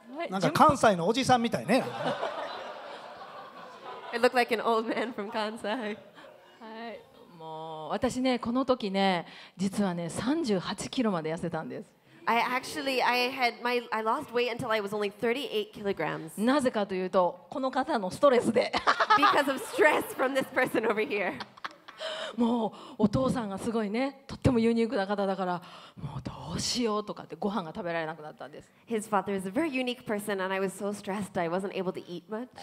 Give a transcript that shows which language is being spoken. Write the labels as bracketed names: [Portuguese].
[Japanese] なんか関西のおじさんみたいね。 [English] It looked like an old man from 関西。 [Japanese] はい、もう私ね、この時ね、実はね、38キロまで痩せたんです。 [English] I actually, I lost weight until I was only 38 kilograms. [Japanese] なぜかというと、この方のストレスで。 [English] Because of stress from this person over here. [Japanese] もうお父さんがすごいね、とってもユニークな方だから、もうどうしようとかってご飯が食べられなくなったんです。 [English] His father is a very unique person and I was so stressed I wasn't able to eat much.